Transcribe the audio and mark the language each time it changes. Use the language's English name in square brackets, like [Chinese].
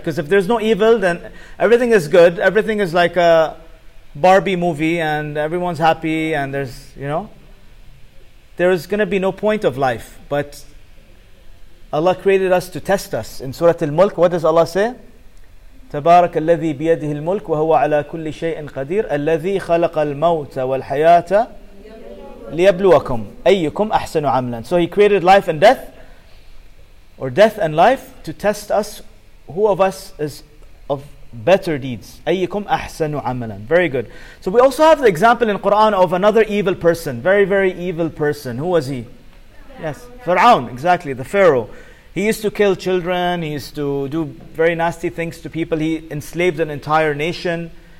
[English] Because if there's no evil, then everything is good. Everything is like a Barbie movie and everyone's happy and there's, you know, there's going to be no point of life. But Allah created us to test us. In Surah Al-Mulk, what does Allah say? [Arabic] تبارك الذي بيده الملك وهو على كل شيء قدير الذي خلق الموت والحياة ليبلوكم أيكم أحسن عملا. [English] So he created life and death, or death and life, to test us, who of us is of better deeds. [Arabic] أيكم أحسن عملا. [English] Very good. So we also have the example in Quran of another evil person, very very evil person. Who was he? Yes, Fir'aun, exactly, the Pharaoh. He used to kill children, he used to do very nasty things to people, he enslaved an entire nation.